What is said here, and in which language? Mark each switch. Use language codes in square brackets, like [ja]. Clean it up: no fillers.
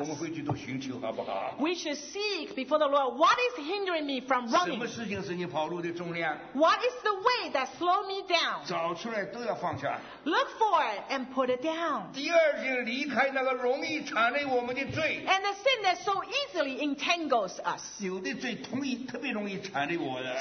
[zh] 我们会去都寻求好不好 [en] ？We should seek before the Lord. What is hindering me from running? [zh] 什么事情是你跑路的重量 [en] ？What is the weight that slow me down? [zh] 找出来都要放下。 [en] Look for it and put it down. [zh] 第二是离开那个容易缠累我们的罪。 [en] And the sin that so easily entangles us. [zh] 有的罪特别容易缠累我的。